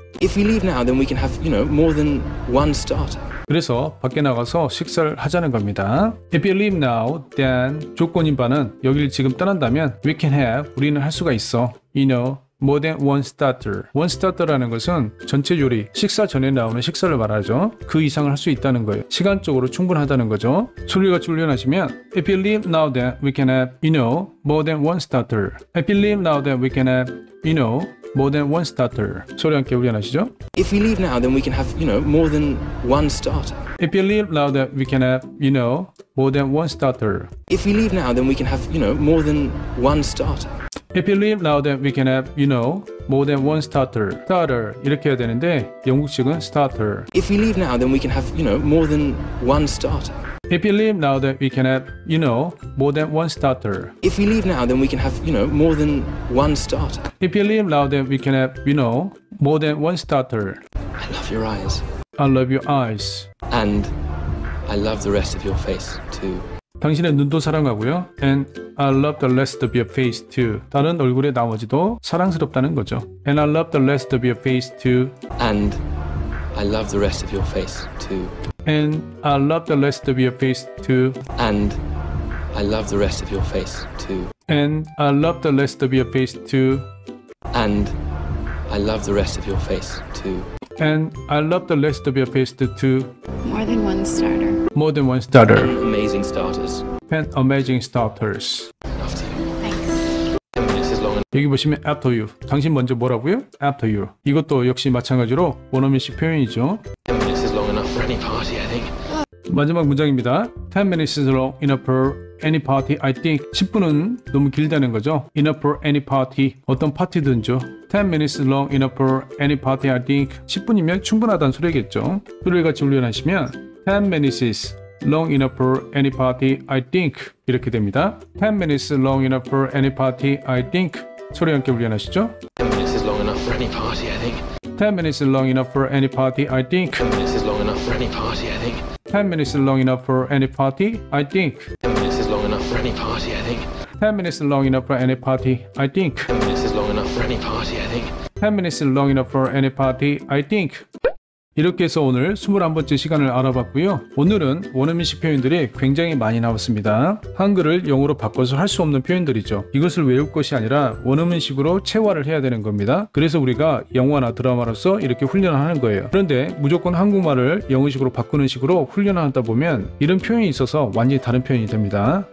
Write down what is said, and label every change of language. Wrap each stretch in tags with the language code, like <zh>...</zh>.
<en>If we leave now, then we can have, you know, more than one starter.</en> <ko>그래서 밖에 나가서 식사를 하자는 겁니다.</ko> <en>If you leave now, then</en> <ko>조건인 바는 여기를 지금 떠난다면</ko> <en>we can have</en> <ko>우리는 할 수가 있어.</ko> <en>You know. More than one starter.</en> <ko>One starter라는 것은 전체 요리, 식사 전에 나오는 식사를 말하죠. 그 이상을 할 수 있다는 거예요. 시간적으로 충분하다는 거죠. 소리가 훈련하시면</ko> <en>If you leave now then we can have, you know, more than one starter. If you leave now then we can have, you know, more than one starter.</en> <ko>소리 함께 훈련하시죠.</ko> <en>If we leave now then we can have, you know, more than one starter. If you leave now then we can have, you know, more than one starter. If we leave now then we can have, you know, more than one starter. If you leave now, then we can have, you know, more than one starter.</en> <ko>Starter 이렇게 해야 되는데 영국식은 starter.</ko> <en>If you leave now, then we can have, you know, more than one starter. If you leave now, then we can have, you know, more than one starter. If we leave now, then we can have, you know, more than one starter. If you leave now, then we can have, you know, More than one starter. I love your eyes. I love your eyes. And I love the rest of your face too.</en> <ko>당신의 눈도 사랑하고요.</ko> <en>And I love the rest of your face too.</en> <ko>다른 얼굴의 나머지도 사랑스럽다는 거죠.</ko> <en>And I love the rest of your face too. And I love the rest of your face too. And I love the rest of your face too. And I love the rest of your face too. And I love the rest of your face too. And I love the rest of your face too. And I love the rest of your face too. More than one starter. More than one starter. And amazing starters. And amazing starters. After you. Thanks. 10 minutes is long enough.</en> <ko>여기 보시면</ko> <en>after you.</en> <ko>당신 먼저 뭐라고요?</ko> <en>After you.</en> <ko>이것도 역시 마찬가지로 원어민식 표현이죠.</ko> <en>10 minutes is long enough for any party, I think.</en> <ko>마지막 문장입니다.</ko> <en>10 minutes is long enough for any party, I think.</en> <ko>10분은 너무 길다는 거죠.</ko> <en>Enough for any party.</en> <ko>어떤 파티든죠.</ko> <en>10 minutes long enough for any party, I think.</en> <ko>10분이면 충분하다는 소리겠죠. 소리를 같이 훈련하시면</ko> <en>10 minutes is long enough for any party, I think.</en> <ko>이렇게 됩니다.</ko> <en>10 minutes long enough for any party, I think.</en> <ko>소리 함께 훈련하시죠.</ko> <en>10 minutes is long enough for any party, I think. 10 minutes is long enough for any party, I think. 10 minutes is long enough for any party, I think. 10 minutes is long enough for any party, I think. 10 minutes is long enough for any party, I think. 10 minutes is long enough for any party, I think. 10 minutes is long enough for any party, I think. 10 minutes is long enough for any party, I think.</en> <ko>이렇게 해서 오늘 21번째 시간을 알아봤고요. 오늘은 원어민식 표현들이 굉장히 많이 나왔습니다. 한글을 영어로 바꿔서 할 수 없는 표현들이죠. 이것을 외울 것이 아니라 원어민식으로 체화를 해야 되는 겁니다. 그래서 우리가 영화나 드라마로서 이렇게 훈련을 하는 거예요. 그런데 무조건 한국말을 영어식으로 바꾸는 식으로 훈련을 하다 보면 이런 표현이 있어서 완전히 다른 표현이 됩니다.</ko>